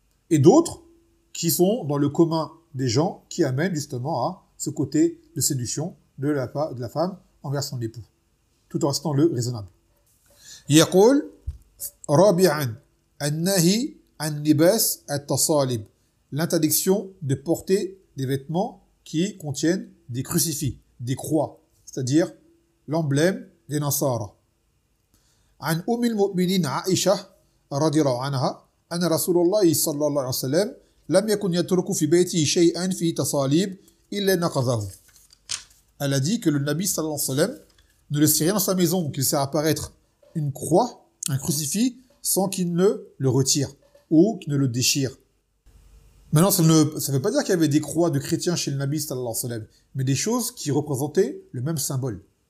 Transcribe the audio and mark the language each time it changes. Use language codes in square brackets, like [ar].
[fr] Et d'autres qui sont dans le commun des gens qui amènent justement à ce côté de séduction de la femme envers son époux. tout en restant le raisonnable. [ar] يقول رابعا النهي عن لباس التصاليب, [fr] l'interdiction de porter des vêtements qui contiennent des crucifix, des croix, c'est-à-dire l'emblème des Nasara. [ar] عن أم المؤمنين عائشة رضي الله عنها أن رسول الله صلى الله عليه وسلم لم يكن يترك في بيته شيئا في تصاليب إلا نقضه. [fr] Elle a dit que le Nabi [ar] صلى الله عليه وسلم [fr] ne laissait rien dans sa maison qu'il sait apparaître une croix, un crucifix, sans qu'il ne le retire ou qu'il ne le déchire. Maintenant, ça ne veut pas dire qu'il y avait des croix de chrétiens chez le Nabi [ar] صلى الله عليه وسلم, [fr] mais des choses qui représentaient le même symbole.